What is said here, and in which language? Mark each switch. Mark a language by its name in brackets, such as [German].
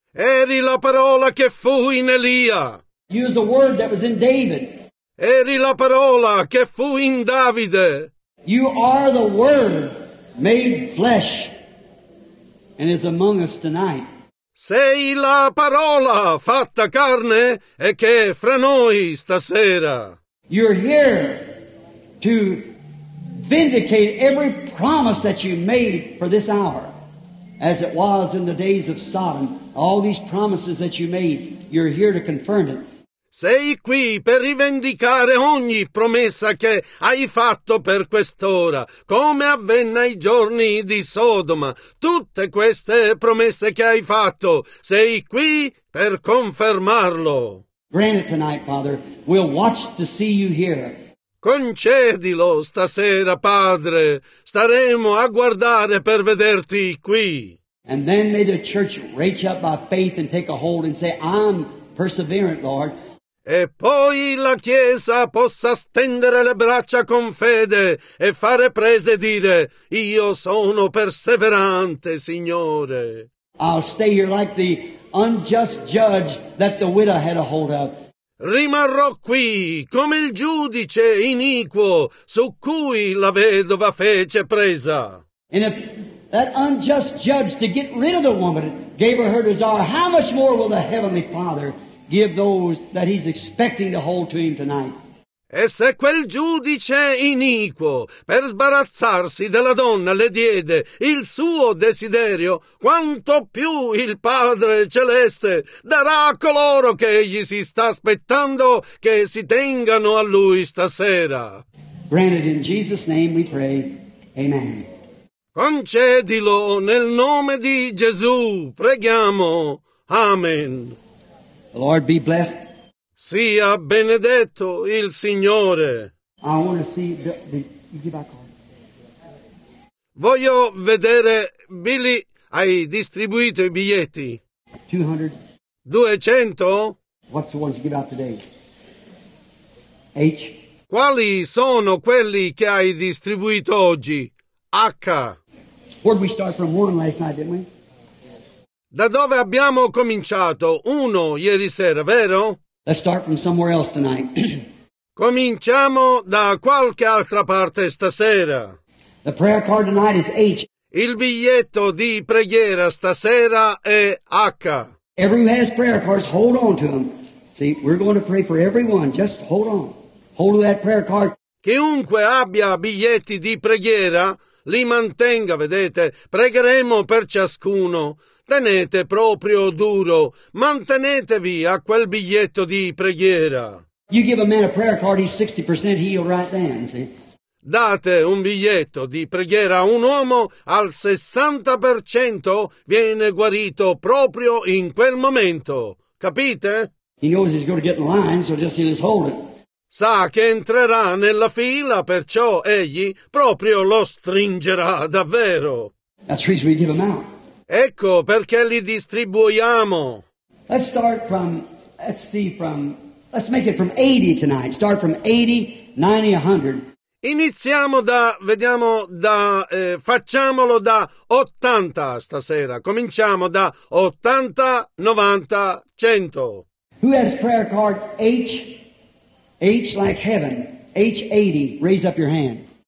[Italian] Eri la parola che fu in Elia. [English] Use the word that was in David. [Italian] Eri la parola che fu in Davide. [English] You are the Word made flesh and is among us tonight. [Italian] Sei la parola fatta carne e che è fra noi stasera. [English] You're here to vindicate every promise that you made for this hour, as it was in the days of Sodom. All these promises that you made, you're here to confirm it. [Italian] Sei qui per rivendicare ogni promessa che hai fatto per quest'ora, come avvenne ai giorni di Sodoma. Tutte queste promesse che hai fatto, sei qui per confermarlo. [English] Grant it tonight, Father. We'll watch to see you here. [Italian] Concedilo stasera, Padre. Staremo a guardare per vederti qui. [English] And then may the church reach up by faith and take a hold and say, I'm perseverant, Lord. [Italian] E poi la Chiesa possa stendere le braccia con fede e fare prese e dire, io sono perseverante, Signore. [English] I'll stay here like the unjust judge that the widow had a hold of. [Italian] Rimarrò qui come il giudice iniquo su cui la vedova fece presa. [English] And if that unjust judge to get rid of the woman gave her her desire, how much more will the Heavenly Father give those that He's expecting to hold to Him tonight? [Italian] E se quel giudice iniquo, per sbarazzarsi della donna, le diede il suo desiderio, quanto più il Padre Celeste darà a coloro che egli si sta aspettando che si tengano a lui stasera. [English] Granted in Jesus' name we pray. Amen. [Italian] Concedilo nel nome di Gesù, preghiamo. Amen. [English] The Lord be blessed. [Italian] Sia benedetto il Signore. [English] I want to see the [Italian] voglio vedere, Billy, hai distribuito i biglietti? [English] 200. 200? What's the ones you give out today? H. [Italian] Quali sono quelli che hai distribuito oggi? H. [English] Where did we start from? One last night, didn't we? [Italian] Da dove abbiamo cominciato? Uno ieri sera, vero? [English] Let's start from somewhere else tonight. [Italian] Cominciamo da qualche altra parte stasera. [English] The prayer card tonight is H. [Italian] Il biglietto di preghiera stasera è H. [English] Everyone has prayer cards, hold on to them. See, we're going to pray for everyone. Just hold on. Hold that prayer card. [Italian] Chiunque abbia biglietti di preghiera, li mantenga, vedete. Pregheremo per ciascuno. Tenete proprio duro, mantenetevi a quel biglietto di preghiera. [English] You give a man a prayer card, he's 60% healed right then, see? [Italian] Date un biglietto di preghiera a un uomo, al 60% viene guarito proprio in quel momento. Capite? [English] He knows he's going to get in line, so just he'll hold it. [Italian] Sa che entrerà nella fila, perciò egli proprio lo stringerà davvero. [English] That's the reason we give him out. [Italian] Ecco perché li distribuiamo. [English] Let's start from, let's make it from 80 tonight. Start from 80, 90, 100. [Italian] Iniziamo da, vediamo, da, facciamolo da 80 stasera. Cominciamo da 80, 90, 100. [English] Who has prayer card H? H like heaven. H 80. Raise up your hand.